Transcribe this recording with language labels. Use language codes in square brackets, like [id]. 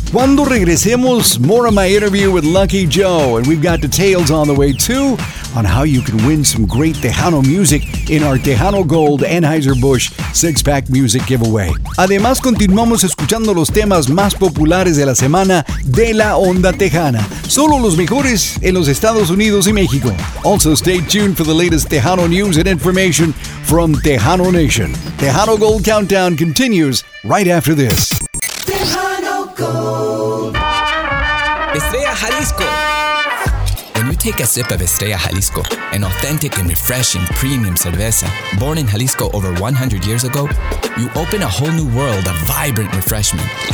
[es] Cuando regresemos, [en] more of my interview with Lucky Joe, and we've got details on the way too on how you can win some great Tejano music in our Tejano Gold Anheuser-Busch 6-Pack Music Giveaway. [es] Además, continuamos escuchando los temas más populares de la semana de la onda tejana. Solo los mejores en los Estados Unidos y México. [en] Also, stay tuned for the latest Tejano news and information from Tejano Nation. Tejano Gold Countdown continues right after this. Tejano Gold. Estrella Jalisco. When you take a sip of Estrella Jalisco, an authentic and refreshing premium cerveza, born in Jalisco over 100 years ago, you open a whole new world of vibrant refreshment.